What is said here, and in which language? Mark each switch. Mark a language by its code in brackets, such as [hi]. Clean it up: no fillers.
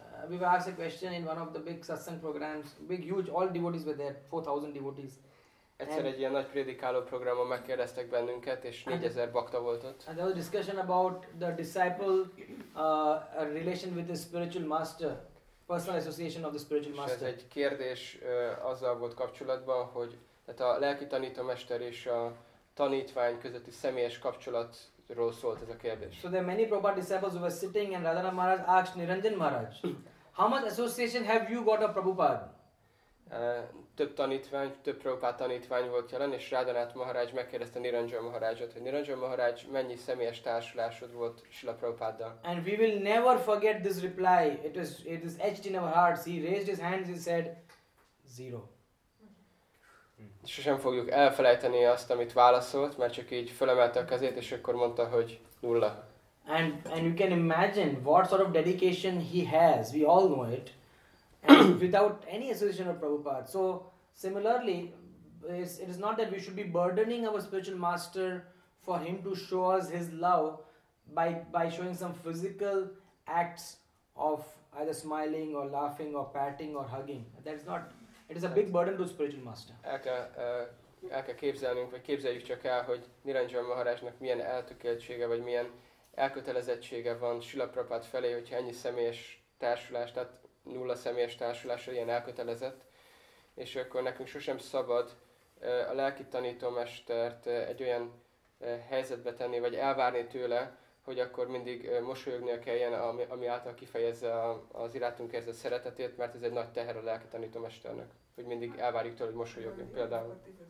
[en] We were asked a question in one of the big satsang programs, big huge, all devotees were there, 4000 devotees. [hu] Egyszer egy ilyen nagy prédikáló programon megkérdeztek bennünket, és 4000 bakta volt ott. [en] And there was a discussion about the disciple relation with the spiritual master, personal association of the spiritual master. [hu] És ez egy kérdés azzal volt kapcsolatban, hogy tehát a lelki tanítómester és a tanítvány közötti személyes kapcsolatról szólt ez a kérdés. [en] So there are many Prabhupada disciples who were sitting and Radhana Maharaj asked Niranjan Maharaj, how much association have you got of Prabhupada? [hu] Több Prabhupada tanítvány volt jelen, és Radhanath Maharaj megkérdezte Niranjan Maharajot, hogy Niranjan Maharaj, mennyi személyes társulásod volt Srila Prabhupáddal? [en] And we will never forget this reply. It is etched in our hearts. He raised his hands and said, zero. [hu] Sosem fogjuk elfelejteni azt, amit válaszolt, mert csak így fölemelte a kezét, és akkor mondta, hogy nulla. [en] And you can imagine what sort of dedication he has. We all know it. Without any association of Prabhupada. So similarly, it is not that we should be burdening our spiritual master for him to show us his love by showing some physical acts of either smiling or laughing or patting or hugging. That is not. It is a big burden to spiritual master. [hu] El kell képzelnünk, vagy képzeljük csak el, hogy Niranjan Maharajnak milyen eltökéltsége vagy milyen elkötelezettsége van Srila Prabhupada felé, hogyha ennyi személyes társulást, tehát nulla személyes társulásra ilyen elkötelezett, és akkor nekünk sosem szabad a lelki tanítómestert egy olyan helyzetbe tenni, vagy elvárni tőle, hogy akkor mindig mosolyognia kelljen, ami által kifejezze az irántunk érzett szeretetét, mert ez egy nagy teher a lelki tanítómesternek, hogy mindig elvárjuk tőle, hogy mosolyogjon például.